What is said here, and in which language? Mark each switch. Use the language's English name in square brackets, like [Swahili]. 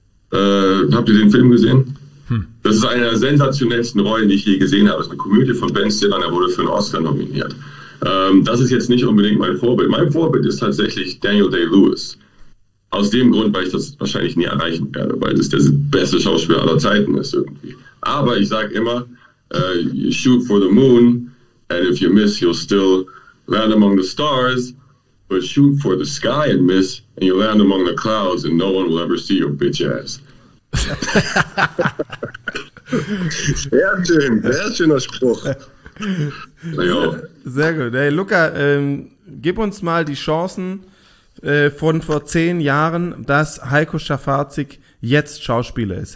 [German] Habt ihr den Film gesehen? Das ist eine der sensationellsten Rollen, die ich je gesehen habe. Das ist eine Komödie von Ben Stiller, er wurde für einen Oscar nominiert. Das ist jetzt nicht unbedingt mein Vorbild. Mein Vorbild ist tatsächlich Daniel Day-Lewis. Aus dem Grund, weil ich das wahrscheinlich nie erreichen werde, weil das der beste Schauspieler aller Zeiten ist irgendwie. Aber ich sage immer, [English] you shoot for the moon, and if you miss, you'll still land among the stars. But shoot for the sky and miss, and you'll land among the clouds, and no one will ever see your bitch ass. [German] Sehr schön, sehr schöner Spruch. Sehr gut. Hey Luca, gib uns mal die Chancen von vor 10 Jahren, dass Heiko Schafarczyk jetzt Schauspieler ist.